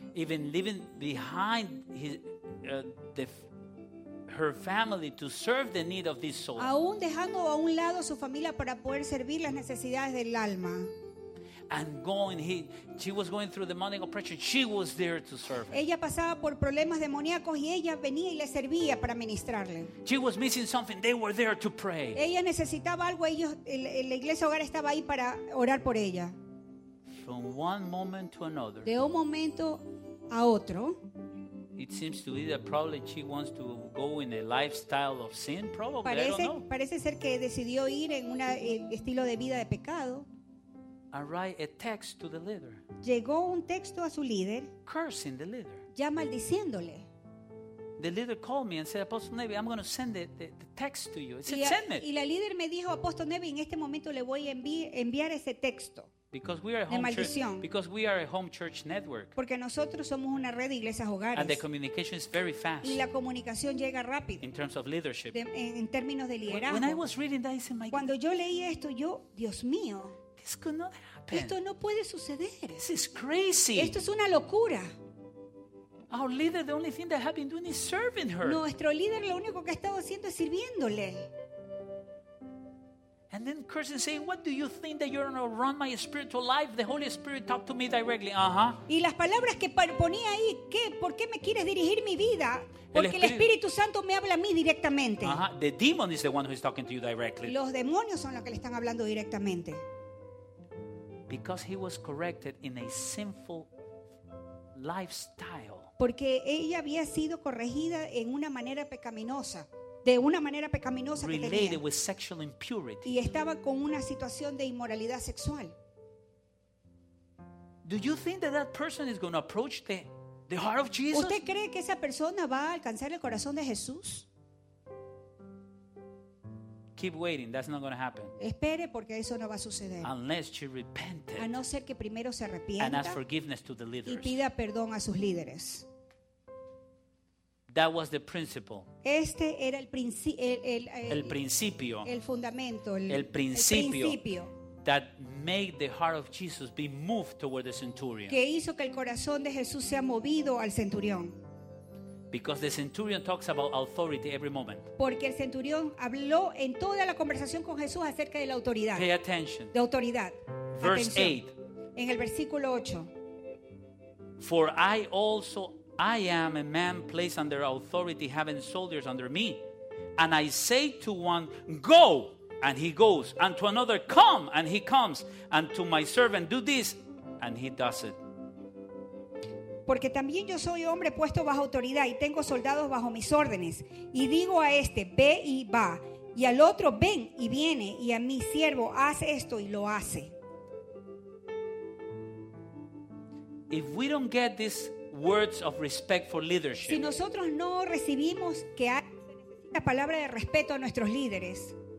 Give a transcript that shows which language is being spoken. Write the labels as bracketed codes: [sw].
[en] even leaving behind her family to serve the need of this soul, [es] aún dejando a un lado su familia para poder servir las necesidades del alma. [en] And going, she was going through demonic oppression. She was there to serve. [es] Ella pasaba por problemas demoníacos y ella venía y le servía para ministrarle. [en] She was missing something. They were there to pray. [es] Ella necesitaba algo. Ellos, la iglesia hogar estaba ahí para orar por ella. [en] From one moment to another. [es] De un momento a otro. [en] It seems to be that probably she wants to go in a lifestyle of sin. Probably. [es] Parece, [en] I don't know. [es] Parece ser que decidió ir en un estilo de vida de pecado. [en] And write a text to the leader. [es] Llegó un texto a su líder. [en] Cursing the leader. [es] Ya maldiciéndole. [en] The leader called me and said, Apostle Nevin, I'm going to send the text to you. He said, send it. [es] Y la líder me dijo, Apostle Nevin, en este momento le voy a enviar ese texto. [en] Because we are a home [es] maldición. [en] Church. Because we are a home church network. [es] Porque nosotros somos una red de iglesias hogares. [en] And the communication is very fast. [es] Y la comunicación llega rápido. [en] In terms of leadership. [es] En términos de liderazgo. [en] When I was reading that, I said, my [es] cuando yo leí esto, yo, Dios mío. [en] This could not happen. [es] Esto no puede suceder. [en] This is crazy. [es] Esto es una locura. [en] Our leader, the only thing that has been doing is serving her. [es] Nuestro líder lo único que ha estado haciendo es sirviéndole. [en] And then cursing, saying, "What do you think that you're going to run my spiritual life? The Holy Spirit talked to me directly." [es] Y las palabras que ponía ahí, ¿qué? ¿Por qué me quieres dirigir mi vida? Porque el Espíritu Santo me habla a mí directamente. [en] The demon is the one who is talking to you directly. [es] Los demonios son los que le están hablando directamente. [en] Because he was corrected in a sinful lifestyle. [es] Porque ella había sido corregida en una manera pecaminosa, de una manera pecaminosa que tenía. [en] Related with sexual impurity. [es] Y estaba con una situación de inmoralidad sexual. [en] Do you think that person is going to approach the heart of Jesus? [es] ¿Usted cree que esa persona va a alcanzar el corazón de Jesús? [en] Keep waiting. That's not going to happen. [es] Espere, porque eso no va a suceder. [en] Unless she repented. [es] A no ser que primero se arrepienta. [en] And ask forgiveness to the leaders. [es] Y pida perdón a sus líderes. [en] That was the principle. [es] Este era el principio. El fundamento. El principio. [en] That made the heart of Jesus be moved toward the centurion. [es] Que hizo que el corazón de Jesús sea movido al centurión. [en] Because the centurion talks about authority every moment. [es] Porque el centurión habló en toda la conversación con Jesús acerca de la autoridad. [en] Pay attention. [es] De autoridad. [en] Verse [es] 8. En el versículo 8. [en] For I am a man placed under authority, having soldiers under me. And I say to one, go, and he goes. And to another, come, and he comes. And to my servant, do this, and he does it. [es] Porque también yo soy hombre puesto bajo autoridad y tengo soldados bajo mis órdenes. Y digo a este, ve y va. Y al otro, ven y viene. Y a mi siervo, haz esto y lo hace. [en] If we don't get these words of respect for leadership, [es] si nosotros no recibimos que haya una palabra de respeto a nuestros líderes,